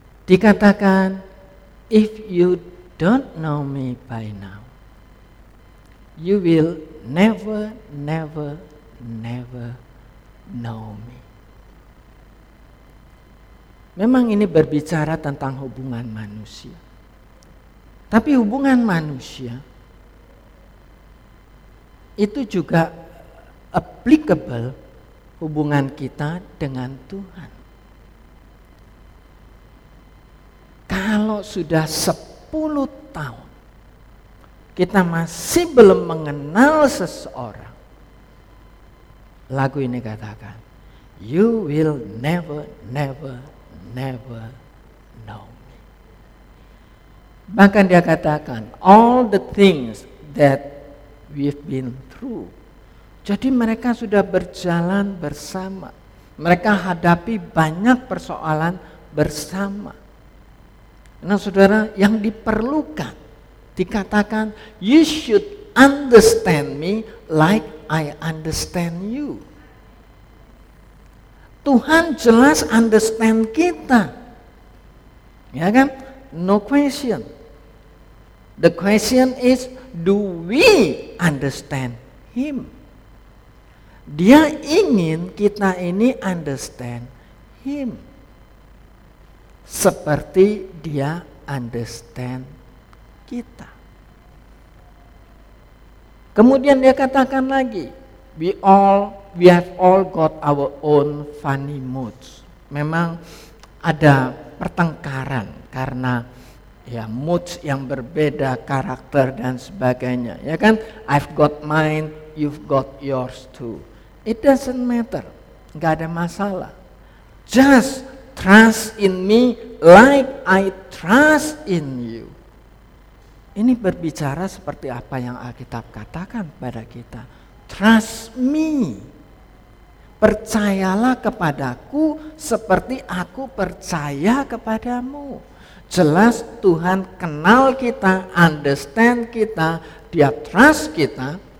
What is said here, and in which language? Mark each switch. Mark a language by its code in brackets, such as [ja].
[id] Dikatakan, [en] if you don't know me by now, you will never, never, never know me. [id] Memang ini berbicara tentang hubungan manusia. Tapi hubungan manusia itu juga [en] applicable [id] hubungan kita dengan Tuhan. Kalau sudah 10 tahun kita masih belum mengenal seseorang, lagu ini katakan, [en] you will never, never, never know me. [id] Bahkan dia katakan, [en] all the things that we've been through. [id] Jadi mereka sudah berjalan bersama. Mereka hadapi banyak persoalan bersama. Nah saudara, yang diperlukan dikatakan, [en] you should understand me like I understand you. [id] Tuhan jelas [en] understand [id] kita. Ya kan? [en] No question. The question is, do we understand him? [id] Dia ingin kita ini [en] understand him [id] seperti dia [en] understand [id] kita. Kemudian dia katakan lagi, [en] we have all got our own funny moods. [id] Memang ada pertengkaran karena ya moods yang berbeda, karakter dan sebagainya, ya kan? [en] I've got mine, you've got yours too. It doesn't matter, [id] gak ada masalah. [en] Just trust in me like I trust in you. [id] Ini berbicara seperti apa yang Alkitab katakan pada kita. [en] Trust me, [id] percayalah kepadaku seperti aku percaya kepadamu. Jelas Tuhan kenal kita, [en] understand [id] kita, dia [en] trust [id] kita.